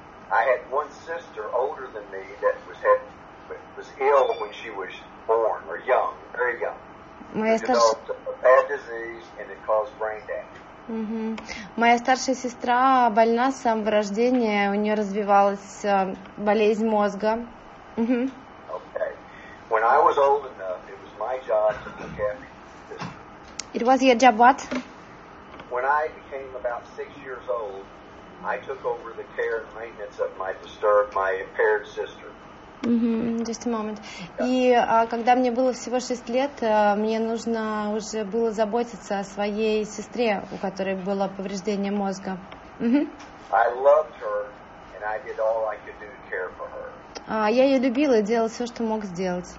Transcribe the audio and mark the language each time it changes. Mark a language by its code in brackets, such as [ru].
[en] I had one sister older than me that was ill when she was born, or young, very young. [ru] Моя [en] developed a bad disease and it caused brain damage. Mm-hmm. [ru] Моя старшая сестра больна с самого рождения, у нее развивалась болезнь мозга. Mm-hmm. [en] Okay. When I was old enough, it was my job to look after this. It was your job what? When I became about 6 years old, I took over the care and maintenance of my impaired sister. Just a moment. Yeah. [ru] И когда мне было всего 6 лет, мне нужно уже было заботиться о своей сестре, у которой было повреждение мозга. [en] I loved her, and I did all I could do to care for her. [ru] Я ее любила, делала все, что мог сделать.